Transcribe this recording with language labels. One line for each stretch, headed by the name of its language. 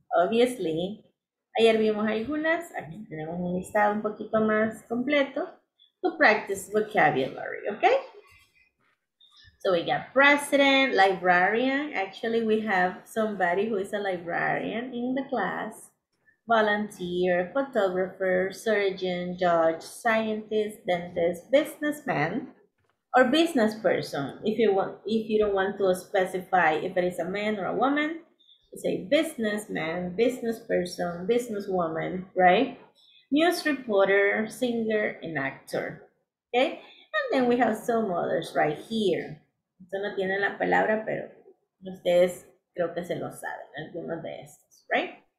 English: Obviously,
Spanish: ayer vimos algunas, aquí tenemos un listado un poquito más completo
English: to practice vocabulary, okay? So we got president, librarian. Actually, we have somebody who is a librarian in the class. Volunteer, photographer, surgeon, judge, scientist, dentist, businessman, or business person. If you don't want to specify if it is a man or a woman, you say businessman, business person, businesswoman, right? News reporter, singer, and actor. Okay? And then we have some others right here.
Spanish: Esto no tiene la palabra, pero ustedes creo que se lo saben, algunos de estos,
English: right?